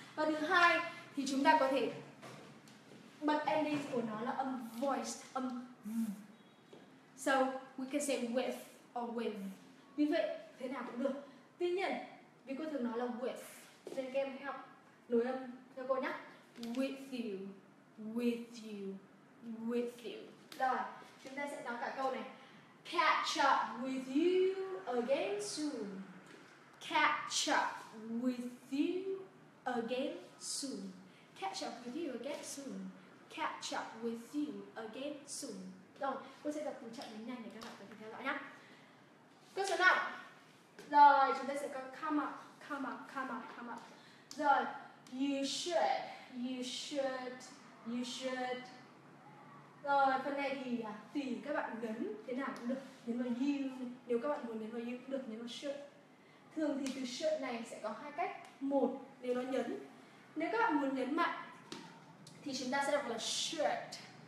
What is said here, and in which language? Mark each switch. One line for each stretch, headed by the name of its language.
Vietnamese: Và thứ hai thì chúng ta có thể bật endings của nó là âm voiced, âm
English: so we can say with or with.
Vietnamese: Vì vậy thế nào cũng được. Tuy nhiên vì cô thường nói là with nên các em hãy học nối âm theo cô nhé.
English: With you, with you, with you.
Vietnamese: Rồi, chúng ta sẽ nói cả câu này.
English: Catch up with you again soon. Catch up with you again soon. Catch up with you again soon. Catch up with you again soon.
Vietnamese: Rồi, cô sẽ tập từ chậm đến nhanh để các bạn có thể theo dõi nhé. Câu số 5. Rồi, chúng ta sẽ có
English: come up, come up, come up, come up. Rồi, you should, you should, you should.
Vietnamese: Rồi, phần này thì tùy các bạn nhấn thế nào cũng được. Nhấn vào you, nếu các bạn muốn nhấn vào you cũng được, nhấn vào should. Thường thì từ should này sẽ có hai cách. Một, nếu nó nhấn. Nếu các bạn muốn nhấn mạnh thì chúng ta sẽ đọc là should.